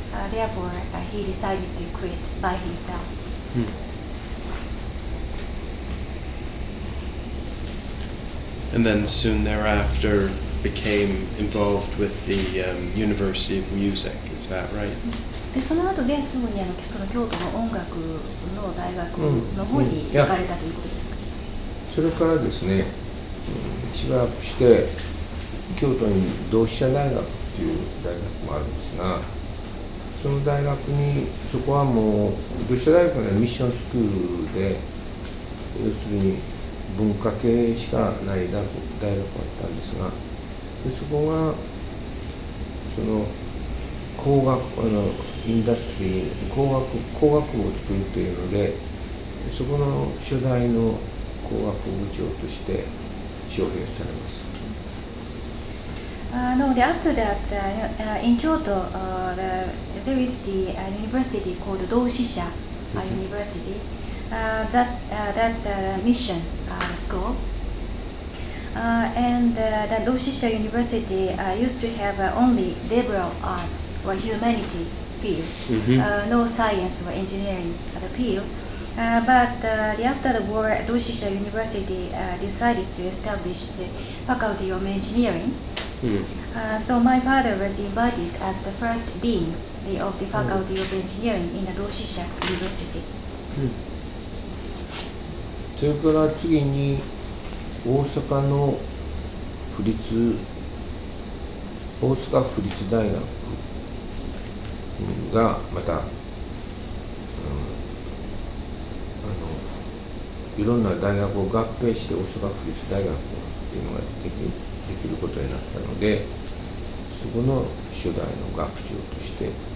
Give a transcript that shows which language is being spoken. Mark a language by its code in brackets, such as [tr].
[en] Therefore, he decided to quit by himself. And then soon thereafter became involved with the University of Music, is that right? [ja] でその後ですぐにあのその京都の音楽の大学の方に行かれたということですか？それからですね、しばらくして京都に同志社大学っていう大学もあるんですが、その大学に、そこはもう同志社大学のミッションスクールで、要するに文化系しかない大学だったんですが、でそこがその工学あのインダストリー工学工学部を作るというので、そこの初代の工学部長として招聘されます。 [en] No, after that, in Kyoto, there is the university called Doushisha University. That's a mission. School and the Doushisha University used to have only liberal arts or humanity fields, no science or engineering the field. But after the war, Doushisha University decided to establish the Faculty of Engineering. So my father was invited as the first dean of the Faculty of Engineering in the Doushisha University. [ja] それから次に大阪の府立大阪府立大学がまた、あのいろんな大学を合併して大阪府立大学っていうのができることになったので、そこの初代の学長として